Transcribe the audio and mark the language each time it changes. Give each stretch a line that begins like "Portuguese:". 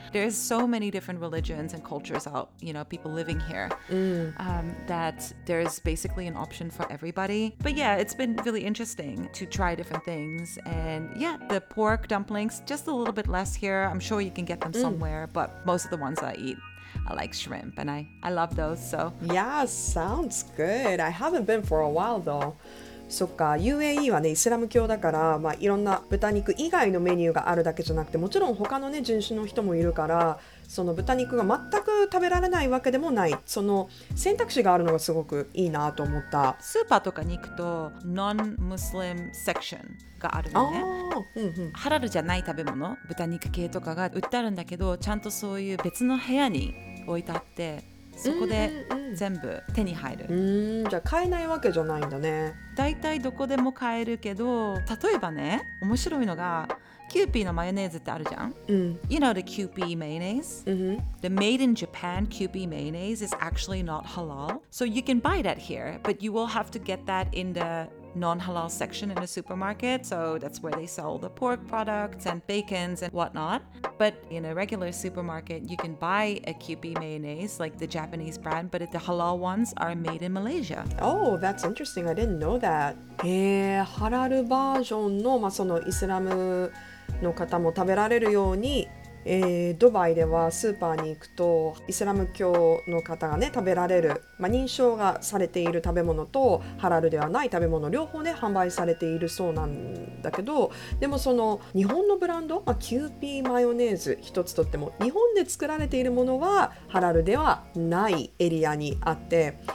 English: There's so many different religions and cultures out, you know, people living here, that there's basically an option for everybody. But yeah, it's been really interesting to try different things. And yeah, the pork dumplings, just a little bit less here. I'm sure you can get them somewhere, but most of the ones I eat. I like shrimp and I love those, so. Yeah, sounds good. I haven't been for a while, though.
Japanese: そっか、UAE はね、イスラム教だから、まあ、いろんな豚肉以外のメニューがあるだけじゃなくて、もちろん他のね、人種の人もいるから、その豚肉が全く食べられないわけでもない。その選択肢があるのがすごくいいなと思った。スーパーとかに行くと、non-Muslim section があるのね。あ、うんうん、ハラルじゃない食べ物、豚肉系とかが売ってあるんだけど、ちゃんとそういう別の部屋に置いてあって、そこで全部手に入る。うんうんうん、じゃあ買えないわけじゃないんだね。大体どこでも買えるけど、例えばね、面白いのが、キューピーのマヨネーズってあるじゃん、うん、
English: You know the Kewpie mayonnaise?、 Mm-hmm. The made in Japan Kewpie mayonnaise is actually not halal. So you can buy that here, but you will have to get that in the non-halal section in the supermarket. So that's where they sell the pork products and bacons and whatnot. But in a regular supermarket, you can buy a Kewpie mayonnaise, like the Japanese brand, but the halal ones are made in Malaysia. Oh, that's interesting. I didn't know that.
Japanese: ハラルバージョンの、まあ、そのイスラムの方も食べられるようにドバイではスーパーに行くとイスラム教の方がね食べられる、まあ、認証がされている食べ物とハラルではない食べ物両方ね販売されているそうなんだけど、でもその日本のブランド、まあ、キューピーマヨネーズ一つとっても日本で作られているものはハラルではないエリアにあって、